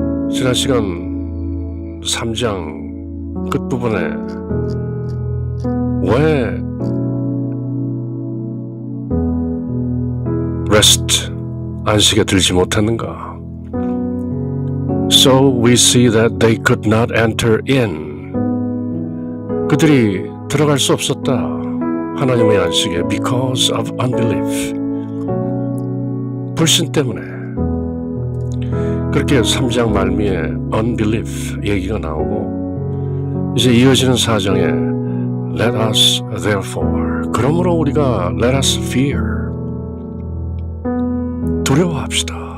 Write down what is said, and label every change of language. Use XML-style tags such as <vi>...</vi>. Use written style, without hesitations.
<ko>지난 시간 3장 끝부분에 왜 rest 안식에 들지 못했는가?</ko> <en>So we see that they could not enter in.</en> <ko>그들이 들어갈 수 없었다. 하나님의 안식에</ko> <en>because of unbelief.</en> <ko>불신 때문에. 그렇게 3장 말미에 unbelief 얘기가 나오고 이제 이어지는 4장에</ko> <en>let us therefore</en> <ko>그러므로 우리가</ko> <en>let us fear</en> <ko>두려워합시다.</ko>